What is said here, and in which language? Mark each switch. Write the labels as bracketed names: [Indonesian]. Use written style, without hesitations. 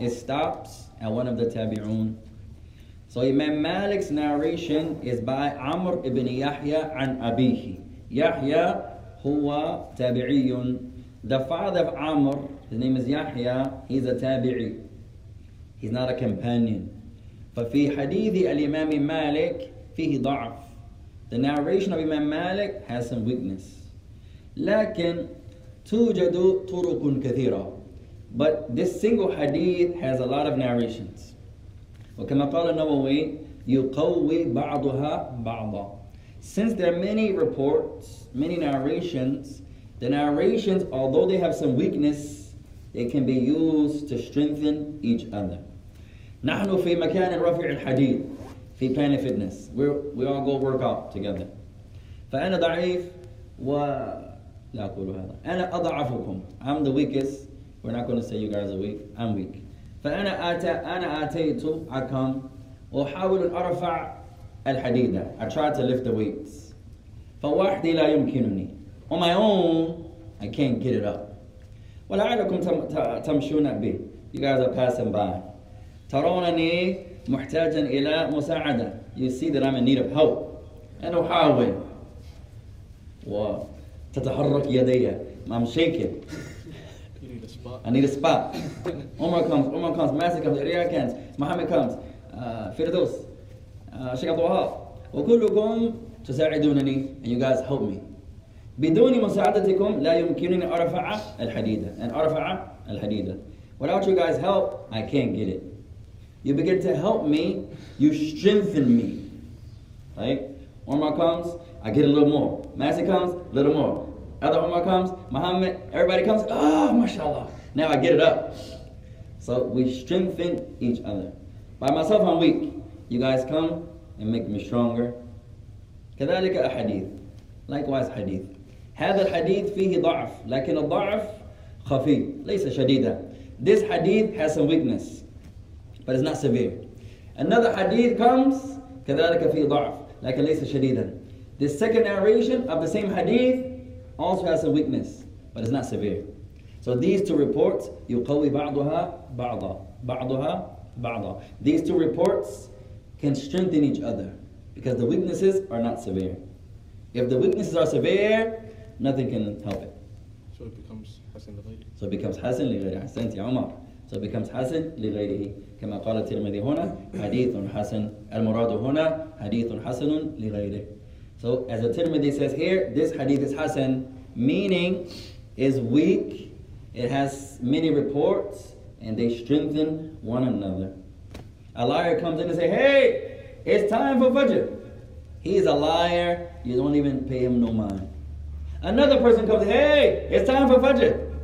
[English] It stops at one of the تابعون. So Imam Malik's narration is by عمر بن يحيى عن أبيه. [Arabic] يحيى هو تابعي. [English] The father of Umar, his name is Yahya, he's a تابعي. He's not a companion. [Arabic] ففي حديث الإمام مالك فيه ضعف. [English] The narration of Imam Malik has some weakness. [Arabic] لكن توجد طرق كثيرة. [English] But this single hadith has a lot of narrations. [Arabic] وكما قال النووي يقوي بعضها بعضا. [English] Since there are many reports, many narrations, the narrations, although they have some weakness, they can be used to strengthen each other. [Arabic] نحن في مكان رفع الحديث في Planet Fitness. [English] We all go work out together. [Arabic] فأنا ضعيف و لا أقول هذا. أنا أضعفكم. [English] I'm the weakest. We're not going to say you guys are weak. I'm weak. [Arabic] فأنا أتيت. [English] I come. [Arabic] أحاول أرفع الحديدة. [English] I tried to lift the weights. [Arabic] فواحدي لا يمكنني. [English] On my own, I can't get it up. [Arabic] ولعلكم تمشون به. [English] You guys are passing by. ترونني محتاجا إلى مساعدة. You see that I'm in need of help. [Arabic] أنا أحاول. وتتحرك يدي. [English] I'm shaking. I need a spot. Umar comes, Masih comes, Iriya comes, Muhammad comes, Firdaus, Sheikh Abdul Wahab. [Arabic] وكلكم تساعدونني, [English] and you guys help me. [Arabic] بدون مساعدتكم لا يمكنني أرفع الحديدة, and أرفع الحديدة. [English] Without you guys' help, I can't get it. You begin to help me, you strengthen me. Right? Umar comes, I get a little more. Masih comes, a little more. Other Umar comes, Muhammad, everybody comes, mashallah. Now I get it up. So we strengthen each other. By myself, I'm weak. You guys come and make me stronger. [Arabic] كذلك الحديث. [English] Likewise, hadith. [Arabic] هذا الحديث فيه ضعف. لكن الضعف خفي. ليس شديدا. [English] This hadith has some weakness. But it's not severe. Another hadith comes. [Arabic] كذلك فيه ضعف. لكن ليس شديدا. [English] This second narration of the same hadith also has some weakness. But it's not severe. So these two reports, [Arabic] يقوي بعضها بعضا, بعضها بعضا. [English] These two reports can strengthen each other because the weaknesses are not severe. If the weaknesses are severe, nothing can help it. So it becomes [Arabic] حسن لغيره. [English] So it becomes [Arabic] حسن لغيره. حسنت يا عمر. [English] So it becomes حسن لغيره. [Arabic] كما قال الترمذي هنا حديث حسن. المراد هنا حديث حسن لغيره. [English] So as the Tirmidhi says here, this hadith is حسن, meaning is weak. It has many reports, and they strengthen one another. A liar comes in and say, hey, it's time for Fajr. He's a liar. You don't even pay him no mind. Another person comes in, hey, it's time for Fajr.